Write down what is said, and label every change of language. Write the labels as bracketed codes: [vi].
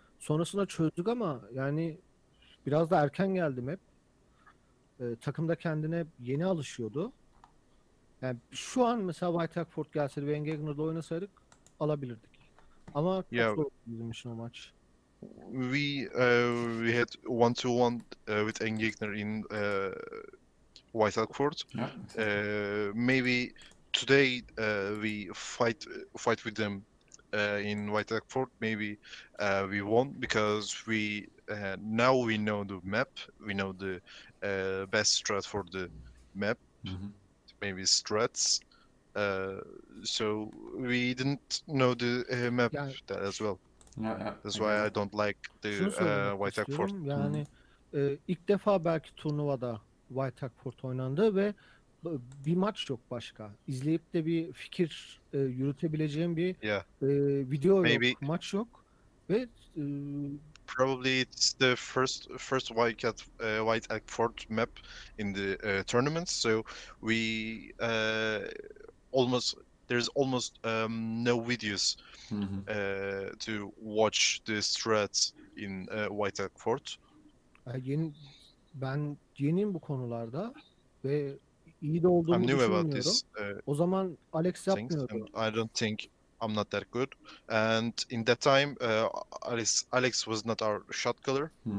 [tr] Sonrasında çözdük ama yani biraz da erken geldi map. Takım da kendine yeni alışıyordu. Yani şu an mesela White Elk Fort gelseydi ve Engagner'da oynasaydık alabilirdik. Ama çok zor bizim için o maç. [en] We had 1-1 with Engegner in White Elk Fort. Yeah. Maybe today we fight with them in White Elk Fort. Maybe we won because we now we know the map. We know the best strat for the map. Maybe strats. So we didn't know the map that as well. That's why I don't like the White Elk Fort. [tr] Yani ilk defa belki turnuvada White Elk Fort oynandı ve bir maç yok başka. İzleyip de bir fikir yürütebileceğim bir video yok, maç yok ve [en] probably it's the first white elk fort map in the tournament, so we almost no videos to watch the strats in white elk fort. [tr] Ben yeniyim bu konularda ve iyi de olduğumu düşünmüyorum. [en] About this, [tr] o zaman Alex yapmıyordu. [en] I don't think I'm not that good. And in that time, Alex was not our shot caller.